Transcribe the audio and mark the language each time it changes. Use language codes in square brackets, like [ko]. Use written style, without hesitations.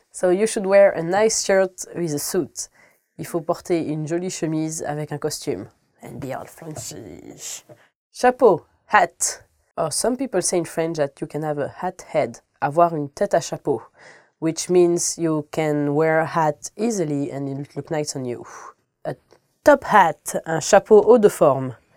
[en] So you should wear a nice shirt with a suit. [fr] Il faut porter une jolie chemise avec un costume. [en] And be all fancy. Chapeau, hat. Or some people say in French that you can have a hat head. [fr] Avoir une tête à chapeau. [en] Which means you can wear a hat easily and it'll look nice on you. A top hat, [fr] un chapeau haut de forme.